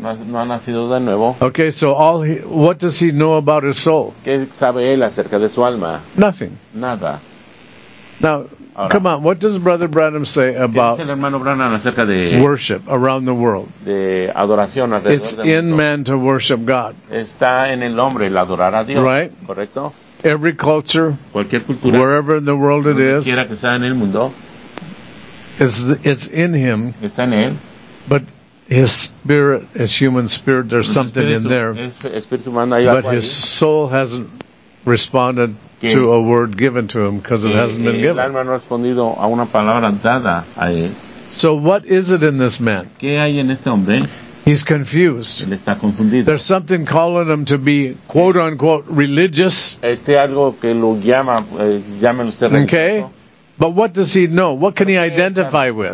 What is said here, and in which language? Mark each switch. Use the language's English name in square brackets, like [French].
[Spanish] No ha nacido de nuevo. [English] Okay, so what does he know about his soul? [Spanish] ¿Qué sabe él acerca de su alma? [English] Nothing. [Spanish] Nada. [English] Now, [Spanish] ahora, [English] come on, what does Brother Branham say about worship around the world? [Spanish] De adoración alrededor [English] it's in man to worship God. [Spanish] Está en el hombre el adorar a Dios. [English] Right? [Spanish] Correcto? [English] every culture, [Spanish] cualquier cultura, [English] wherever in the world it is, [Spanish] quiera que sea en el mundo, [English] it's in him. [Spanish] Está en él. [English] But his spirit, his human spirit, there's something in there. [Spanish] Es espíritu humano, hay [English] but his [Spanish] ahí. [English] Soul hasn't responded que, to a word given to him because it hasn't been given. [Spanish] El alma no ha respondido a una palabra dada a él. [English] So what is it in this man? [Spanish] ¿Qué hay en este hombre? [English] He's confused. [Spanish] Él está confundido. [English] There's something calling him to be quote unquote religious. [Spanish] Este algo que lo llama, llámelo usted religioso. [English] Okay. But what does he know? What can he identify with?